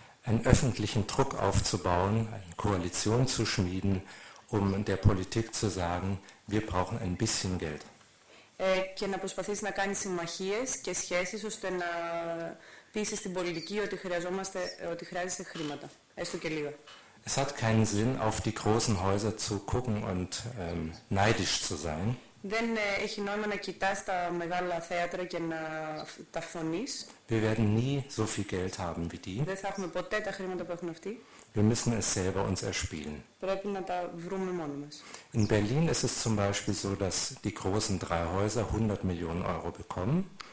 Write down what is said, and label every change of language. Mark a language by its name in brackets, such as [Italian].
[German] Einen öffentlichen Druck aufzubauen, eine Koalition zu schmieden, um der Politik zu sagen, wir brauchen ein bisschen Geld. [Greek] Και να προσπαθείς να κάνεις συμμαχίες και σχέσεις ώστε να πείσεις την πολιτική ότι χρειαζόμαστε, ότι χρειάζεσαι χρήματα, έστω και λίγα. [German] Es hat keinen Sinn, auf die großen Häuser zu gucken und neidisch zu sein. [Greek] Δεν έχει νόημα να κοιτάς τα μεγάλα θέατρα και να τα φθονείς. [German] Wir werden nie so viel Geld haben wie die. [Greek] Δεν θα έχουμε ποτέ τα χρήματα που έχουν αυτοί. [German] Wir müssen es selber uns erspielen. [Greek] Πρέπει να τα βρούμε μόνοι μας. [German] In Berlin ist es zum Beispiel so, dass die großen drei Häuser 100 Millionen Euro bekommen.